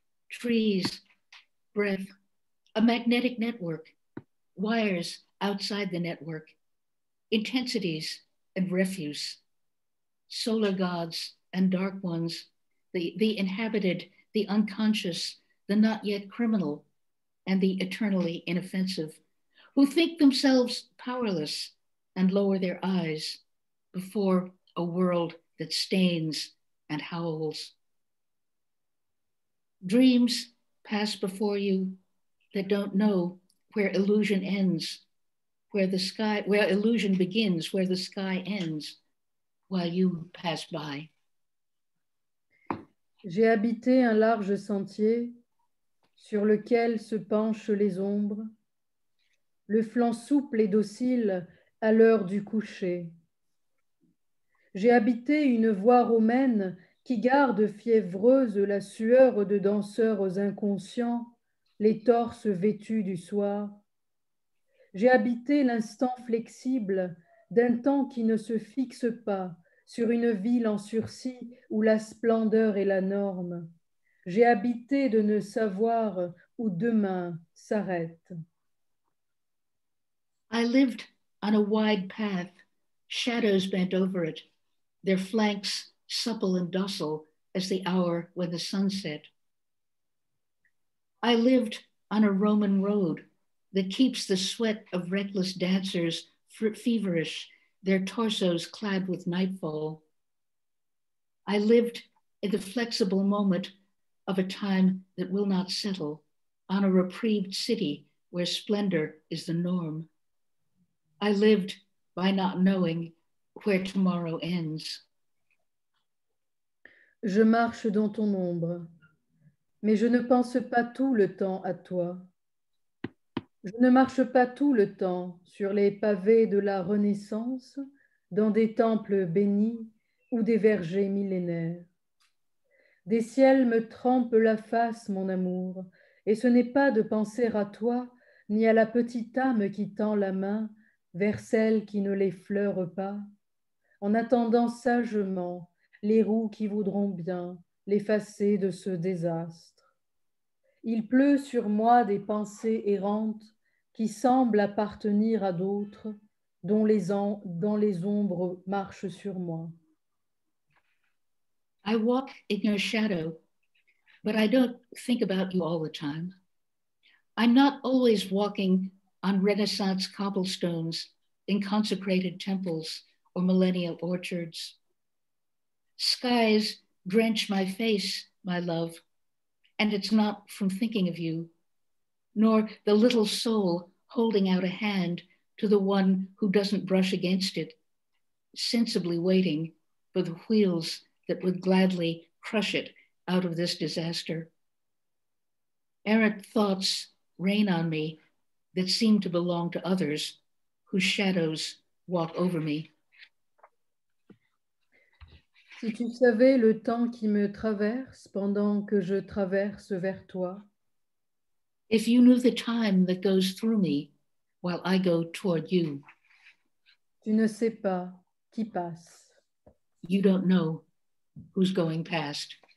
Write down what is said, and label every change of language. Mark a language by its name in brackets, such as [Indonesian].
[English] Trees, breath, a magnetic network, wires outside the network, intensities and refuse, solar gods and dark ones, the inhabited, the unconscious, the not yet criminal, and the eternally inoffensive, who think themselves powerless and lower their eyes before a world that stains and howls. Dreams pass before you that don't know where illusion ends, where the sky, where illusion begins, where the sky ends, while you pass by. [French] J'ai habité un large sentier sur lequel se penchent les ombres, le flanc souple et docile à l'heure du coucher. J'ai habité une voie romaine qui garde fiévreuse la sueur de danseurs inconscients, les torses vêtus du soir. J'ai habité l'instant flexible d'un temps qui ne se fixe pas sur une ville en sursis où la splendeur est la norme. J'ai habité de ne savoir où demain s'arrête. [English] I lived on a wide path, shadows bent over it, their flanks supple and docile as the hour when the sun set. I lived on a Roman road that keeps the sweat of reckless dancers feverish, their torsos clad with nightfall. I lived in the flexible moment of a time that will not settle, on a reprieved city where splendor is the norm. I lived by not knowing where tomorrow ends. [French] Je marche dans ton ombre, mais je ne pense pas tout le temps à toi. Je ne marche pas tout le temps sur les pavés de la Renaissance, dans des temples bénis ou des vergers millénaires. Des ciels me trempent la face, mon amour, et ce n'est pas de penser à toi ni à la petite âme qui tend la main vers celle qui ne l'effleure pas, en attendant sagement les roues qui voudront bien l'effacer de ce désastre. Il pleut sur moi des pensées errantes qui semblent appartenir à d'autres dont dans les ombres marchent sur moi. [English] I walk in your shadow, but I don't think about you all the time. I'm not always walking on Renaissance cobblestones, in consecrated temples or millennial orchards. Skies drench my face, my love, and it's not from thinking of you, nor the little soul holding out a hand to the one who doesn't brush against it, sensibly waiting for the wheels that would gladly crush it out of this disaster. Errant thoughts rain on me that seem to belong to others whose shadows walk over me. [French] Si tu savais le temps qui me traverse pendant que je traverse vers toi. [English] If you knew the time that goes through me while I go toward you. [French] Tu ne sais pas qui passe. [English] You don't know who's going past.